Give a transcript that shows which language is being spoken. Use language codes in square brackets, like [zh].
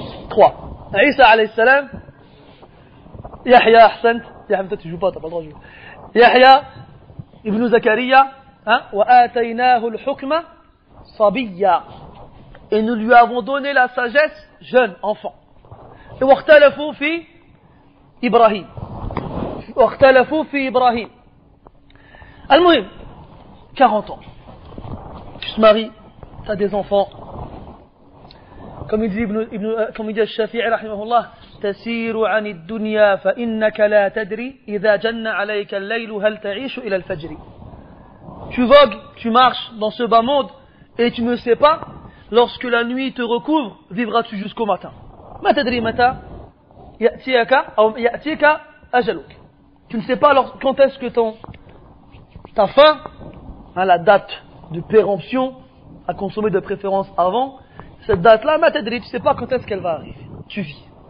[fr] Trois. [ar] Isa alayhi salam, Yahya, Ahsant. [fr] Yahya, toi tu joues pas, t'as pas le droit de jouer. Yahya [ar] ابن زكريا وآتيناه الحكمة صبيا [fr] et nous lui avons donné la sagesse jeune enfant. [ar] Et واختلفوا في إبراهيم واختلفوا في إبراهيم. المهم [fr] 40 ans tu te maries, t'as des enfants, comme il dit [ar] الشافعي رحمه الله, تسير عن الدنيا فإنك لا تدري إذا جن عليك الليل هل تعيش إلى الفجر. [fr] Tu vogues, tu marches dans ce bas monde et tu ne sais pas, lorsque la nuit te recouvre, vivras-tu jusqu'au matin. [ar] Ma tadri mata ya'tika aw ya'tika ajaluk. [fr] Tu ne sais pas quand est-ce que ta fin, hein, la date de péremption à consommer de préférence avant, cette date-là, [ar] ma tadri, [fr] tu ne sais pas quand est-ce qu'elle va arriver. Tu vis.